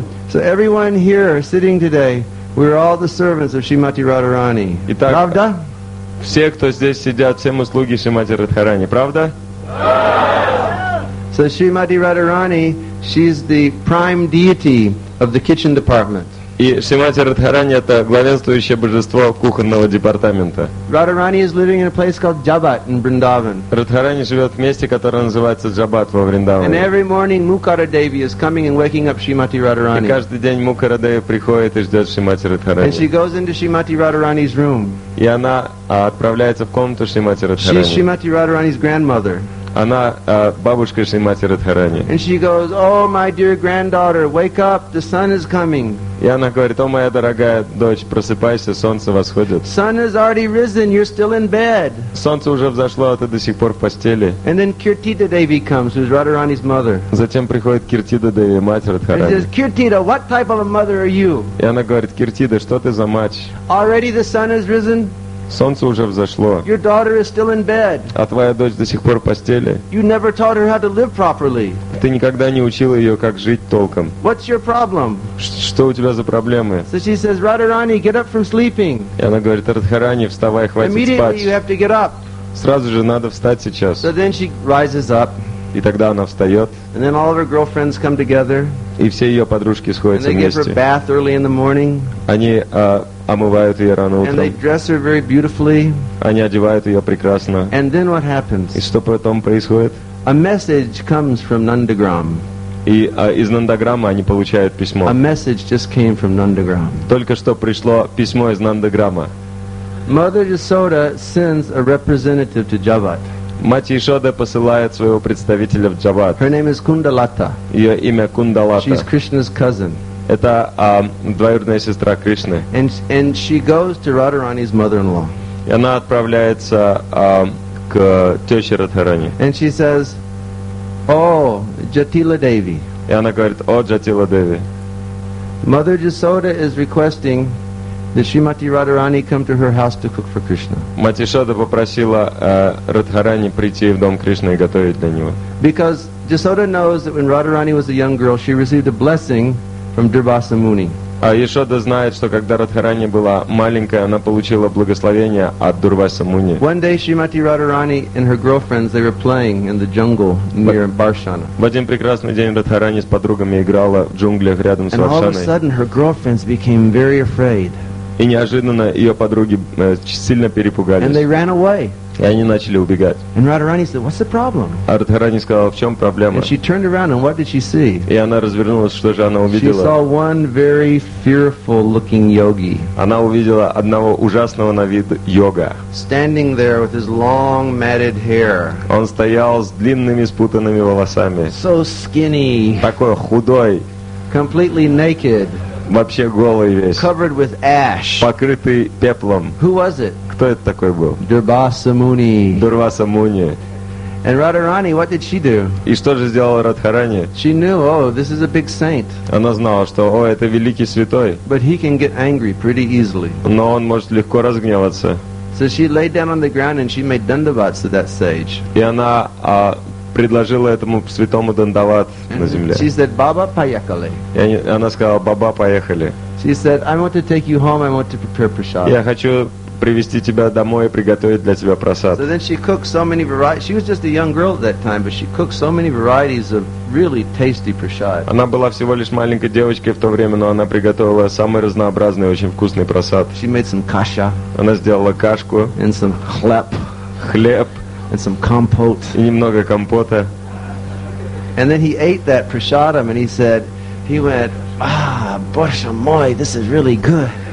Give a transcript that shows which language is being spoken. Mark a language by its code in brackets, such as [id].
[en] So everyone here sitting today, we're all the servants of Shrimati Radharani. [ru] Итак, правда? Все, кто здесь сидят, все мы слуги Шримати Радхарани, правда? [en] So Shrimati Radharani, she's the prime deity of the kitchen department. [ru] И Шримати Радхарани — это главенствующее божество кухонного департамента. [en] Radharani is living in a place called Jabat in Vrindavan. [ru] Радхарани живет в месте, которое называется Джабат во Вриндаване. [en] And every morning Mukara Devi is coming and waking up Shrimati Radharani. [ru] И каждый день Mukara Devi приходит и ждет Шримати Радхарани. [en] And she goes into Shrimati Radharani's room. [ru] И она отправляется в комнату Шримати Радхарани. [en] She's Shrimati Radharani's grandmother. [ru] Она бабушка Шримати Радхарани. [en] And she goes, "Oh, my dear granddaughter, wake up, the sun is coming." [ru] И она говорит: "О, моя дорогая дочь, просыпайся, солнце восходит." [en] Sun has already risen, you're still in bed. [ru] Солнце уже взошло, а ты до сих пор в постели. [en] And then Kirtita Devi comes, who's Radharani's mother. [ru] Затем приходит Киртида Деви, мать Радхарани. [en] And she says, "Kirtita, what type of a mother are you?" [ru] И она говорит: "Киртида, что ты за мать?" [en] Already the sun has risen. [ru] Солнце уже взошло. [en] Your daughter is still in bed. [ru] А твоя дочь до сих пор в постели. [en] You never taught her how to live properly. [ru] Ты никогда не учила ее, как жить толком. [en] What's your problem? [ru] Что у тебя за проблемы? [en] So she says, Radharani, get up from sleeping. [ru] И она говорит: Радхарани, вставай, хватит спать. [en] Immediately you have to get up. [ru] Сразу же надо встать сейчас. [en] So then she rises up. [ru] И тогда она встает. [en] And then all of her girlfriends come together. [ru] И все ее подружки сходятся вместе. [en] And they give her bath early in the morning. [ru] Омывают ее рано утром. [en] And they dress her very beautifully. [ru] Они одевают ее прекрасно. [en] And then what happens? [ru] И что потом происходит? [en] A message comes from Nandagram. [ru] И из Нандаграма они получают письмо. [en] A message just came from Nandagram. [ru] Только что пришло письмо из Нандаграма. [en] Mother Yashoda sends a representative to Jabat. [ru] Мать Ишода посылает своего представителя в Джабат. [en] Her name is Kundalata. [ru] Ее имя Кундалата. [en] She's Krishna's cousin. [ru] Это двоюродная сестра Кришны. [en] And she goes to Radharani's mother-in-law. [ru] И она отправляется к тёще Радхарани. [en] And she says, "Oh, Jatila Devi." [ru] И она говорит: "О, Jatila Devi." [en] Mother Yashoda is requesting that Shrimati Radharani come to her house to cook for Krishna. [ru] Мать Ишода попросила Радхарани прийти в дом Кришны и готовить для него. [en] Because Yashoda knows that when Radharani was a young girl, she received a blessing from Durvasa Muni. [ru] А Ишода знает, что когда Радхарани была маленькая, она получила благословение от Дурваса Муни. [en] One day Shrimati Radharani and her girlfriends, they were playing in the jungle near Barshana. [ru] В один прекрасный день Радхарани с подругами играла в джунглях рядом с Варшаной. [en] And all of a sudden her girlfriends became very afraid. [ru] И неожиданно ее подруги сильно перепугались. [en] And they ran away. [ru] И они начали убегать. [en] And Radharani said, "What's the problem?" [ru] А Радхарани сказала: "В чем проблема?" [en] And she turned around, and what did she see? [ru] И она развернулась, что же она увидела? [en] She saw one very fearful-looking yogi. [ru] Она увидела одного ужасного на вид йога. [en] Standing there with his long matted hair. [ru] Он стоял с длинными спутанными волосами. [en] So skinny. [ru] Такой худой. [en] Completely naked. [ru] Вообще голый весь. [en] Covered with ash. [ru] Покрытый пеплом. [en] Who was it? [ru] Кто это такой был? [en] Durvasa Muni. [ru] Durvasa Muni. [en] And Radharani, what did she do? [ru] И что же сделала Радхарани? [en] She knew, oh, this is a big saint. [ru] Она знала, что, о, это великий святой. [en] But he can get angry pretty easily. [ru] Но он может легко разгневаться. [en] So she laid down on the ground and she made dandavats to that sage. [ru] И она предложила этому святому дандават на земле. [en] She said, "Baba, [ru] поехали." И она сказала: "Баба, поехали." [en] She said, "I want to take you home. I want to prepare prasad." [ru] Я хочу привести тебя домой и приготовить для тебя просад. [en] So then she cooked so many varieties. She was just a young girl at that time, but she cooked so many varieties of really tasty prasad. [ru] Она была всего лишь маленькой девочкой в то время, но она приготовила самый разнообразный, очень вкусный просад. [en] She made some kasha. [ru] Она сделала кашку. [en] And some [ru] хлеб. Хлеб. [en] And some compote. [ru] И немного компота. [en] And then he ate that prasadam and he said, he went, "Ah, [ru] Боже мой, [en] this is really good."